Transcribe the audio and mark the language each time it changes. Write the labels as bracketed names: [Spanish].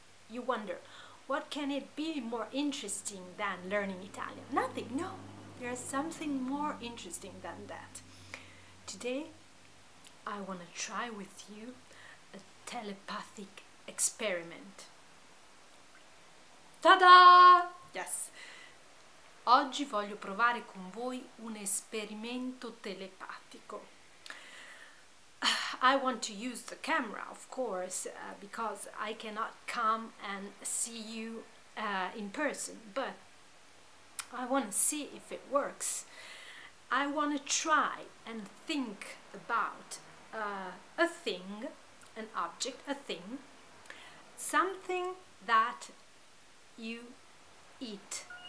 [English] You wonder, what can it be more interesting than learning Italian? Nothing, no. There is something more interesting than that. Today, I want to try with you a telepathic experiment. Ta-da! Yes. [Italian] Oggi voglio provare con voi un esperimento telepatico. [English] I want to use the camera, of course, because I cannot come and see you in person, but I want to see if it works. I want to try and think about a thing, an object, a thing, something that you eat.